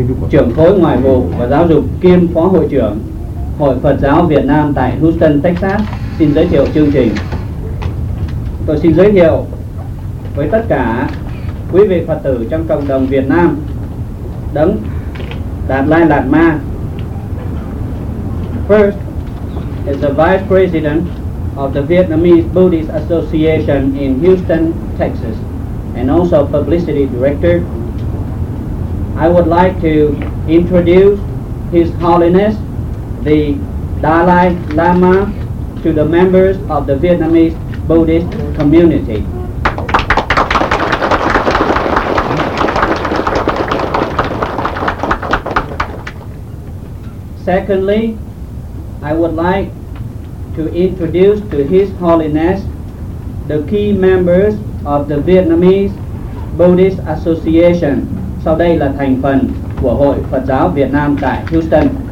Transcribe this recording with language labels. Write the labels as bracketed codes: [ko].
[vi] Trưởng khối ngoại vụ và giáo dục kiêm phó hội trưởng Hội Phật giáo Việt Nam tại Houston, Texas xin giới thiệu chương trình. Tôi xin giới thiệu với tất cả quý vị Phật tử trong cộng đồng Việt Nam Đấng Đạt Lai Lạt Ma. [en] First is the Vice President of the Vietnamese Buddhist Association in Houston, Texas, and also Publicity Director. I would like to introduce His Holiness the Dalai Lama to the members of the Vietnamese Buddhist community. Secondly, I would like to introduce to His Holiness the key members of the Vietnamese Buddhist Association. [vi] Sau đây là thành phần của Hội Phật giáo Việt Nam tại Houston.